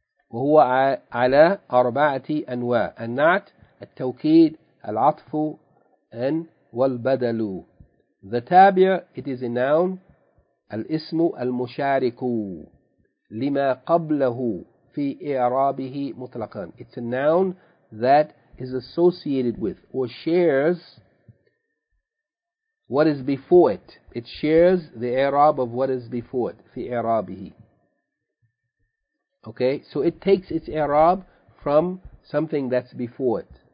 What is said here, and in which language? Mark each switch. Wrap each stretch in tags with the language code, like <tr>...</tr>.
<ar>وهو على أربعة أنواع: النعت، التوكيد، العطف، والبدل.</ar> <en>The تابع it is a noun.</en> <ar>الاسم المشارك لما قبله في إعرابه مطلقا.</ar> <en>It's a noun that is associated with or shares what is before it. It shares the إعراب of what is before it</en> <ar>في إعرابه.</ar> <en>Okay, so it takes its i'rab from something that's before it.</en>